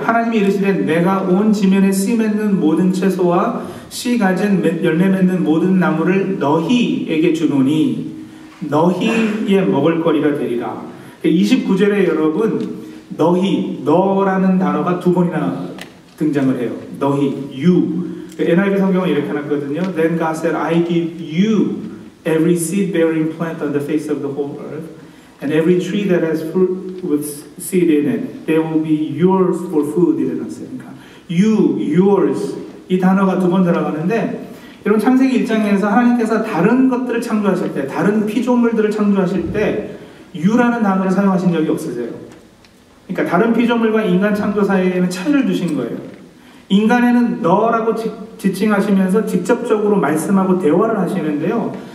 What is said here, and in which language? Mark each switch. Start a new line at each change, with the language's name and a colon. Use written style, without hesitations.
Korean: 하나님이 이르시되, 내가 온 지면에 씨 맺는 모든 채소와 씨 가진 열매 맺는 모든 나무를 너희에게 주노니 너희의 먹을 거리가 되리라. 29절에 여러분, 너희, 너라는 단어가 두 번이나 등장을 해요. 너희, you. NIV 성경은 이렇게 놨거든요.
English: Then God said, I give you every seed bearing plant on the face of the whole earth. And every tree that has fruit with seed in it, they will be yours for food.
Korean: 이랬었으니까.
English: You, yours.
Korean: 이 단어가 두 번 들어가는데, 여러분 창세기 1장에서 하나님께서 다른 것들을 창조하실 때, 다른 피조물들을 창조하실 때 you라는 단어를 사용하신 적이 없으세요. 그러니까 다른 피조물과 인간 창조 사이에는 차이를 두신 거예요. 인간에는 너라고 지칭하시면서 직접적으로 말씀하고 대화를 하시는데요.